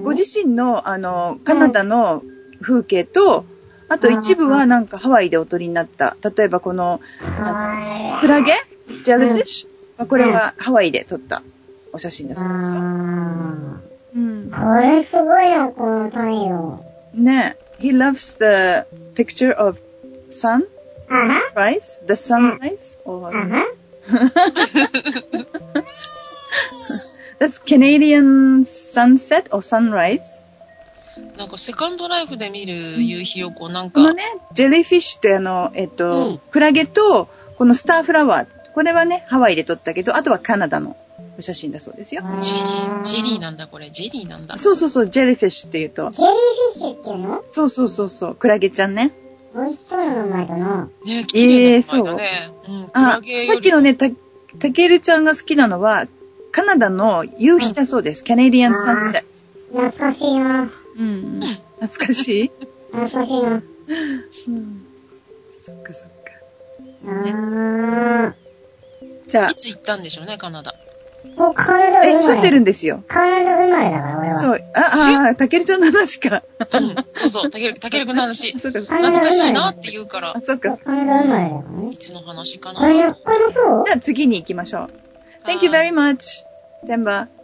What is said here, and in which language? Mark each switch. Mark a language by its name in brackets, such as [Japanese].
[Japanese] ご自身の、あの、カナダの風景と、はい、あと一部はなんかハワイでお撮りになった。例えばこの、はい、クラゲジェルフィッシュ、うん。これはハワイで撮ったお写真だそうですよ。うん、これすごいな、この太陽。ねえ。 [English] He loves the picture of sun? [Japanese] あら？ [English] Rise? The sunrise? [Japanese] あら？ [English] That's Canadian sunset or sunrise? [Japanese] なんか、セカンドライフで見る夕日をこう、なんか。このね、ジェリーフィッシュってあの、クラゲと、このスターフラワー。これはね、ハワイで撮ったけど、あとはカナダの。お写真だそうですよ。ジェリーなんだ、これ。ジェリーなんだ。そうそうそう、ジェリーフィッシュって言うと。ジェリーフィッシュっての？そうそうそうそう、クラゲちゃんね。美味しそうな名前だな。ね、綺麗な名前だね。そう。うん、あ、さっきのね、たけるちゃんが好きなのは、カナダの夕日だそうです。うん、カナディアンサンセット。懐かしいな。うん。懐かしい？懐かしいな。うん。そっかそっか。ね、じゃあ。いつ行ったんでしょうね、カナダ。カナダ生まれ。え、住んでるんですよ。カナダ生まれだから、俺は。そう。ああ、たけるちゃんの話か。うん。そうそう。たけるくんの話。そうか。懐かしいなって言うから。あ、そうか。カナダ生まれだから。いつの話かな。あ、やっぱりそう。じゃあ次に行きましょう。 [English] Thank you very much, Temba.